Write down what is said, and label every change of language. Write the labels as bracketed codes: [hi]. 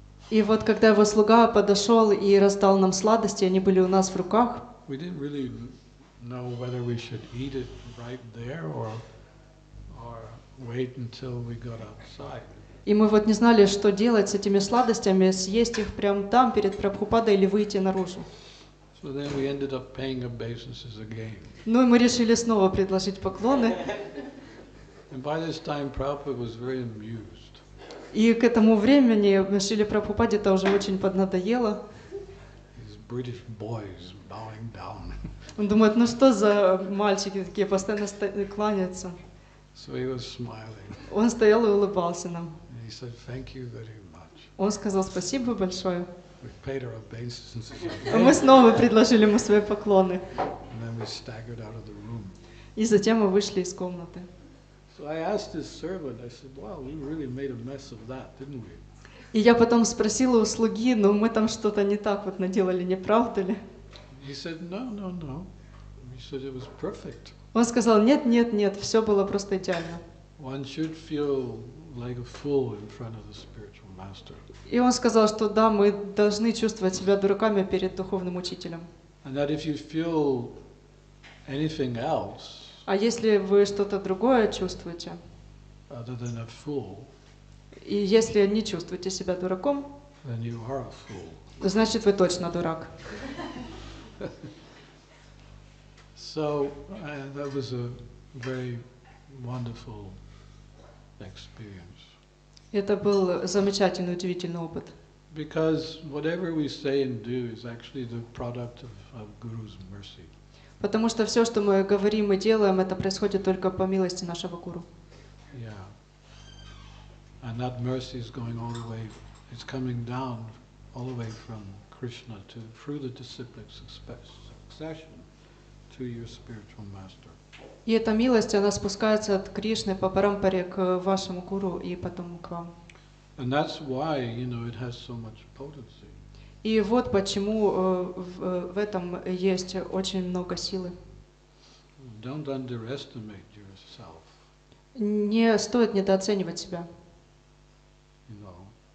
[ru] И вот когда его слуга подошел и раздал нам сладости, они были у нас в руках. [en] We didn't really know whether we should eat it right there or wait until we got outside. [ru] И мы вот не знали, что делать с этими сладостями, съесть их прямо там, перед Прабхупадой, или выйти наружу. [en] So then we ended up paying obeisances again. [ru] Ну и мы решили снова предложить поклоны. [en] And by this time, Prabhupada was very amused. [ru] И к этому времени Шриле Прабхупаде это уже очень поднадоело. [en] These British boys bowing down. [ru] Он думает, ну что за мальчики такие, постоянно кланяются. [en] So he was smiling. [ru] Он стоял и улыбался нам. [en] He said, "Thank you very much." [ru] Он сказал спасибо большое. [en] We paid our obeisances. [ru] Мы снова предложили ему свои поклоны. [en] And then we staggered out of the room. [ru] И затем мы вышли из комнаты. [en] So I asked his servant. I said, "Wow, we really made a mess of that, didn't we?" [ru] И я потом спросила у слуги, но мы там что-то не так вот наделали, не правда ли? [en] He said, "No." He said it was perfect. [ru] Он сказал, нет, все было просто идеально. [en] One should feel like a fool in front of the spiritual master. [ru] И он сказал, что да, мы должны чувствовать себя дураками перед духовным учителем. [en] And that if you feel anything else, [ru] а если вы что-то другое чувствуете, [en] other than a fool, [ru] и если не чувствуете себя дураком, [en] then you are a fool. [ru] Значит, вы точно дурак. [en] So that was a very wonderful experience. [ru] Это был замечательный, удивительный опыт. [en] Because whatever we say and do is actually the product of Guru's mercy. [ru] Потому что все, что мы говорим и делаем, это происходит только по милости нашего гуру. [en] Yeah. And that mercy is going all the way. It's coming down all the way from Krishna to through the disciplic succession to your spiritual master. [ru] И эта милость, она спускается от Кришны по парампаре к вашему гуру и потом к вам. [en] And that's why, you know, it has so much potency. [ru] И вот почему в этом есть очень много силы. [en] Don't underestimate yourself. [ru] Не стоит недооценивать себя. [en] You know.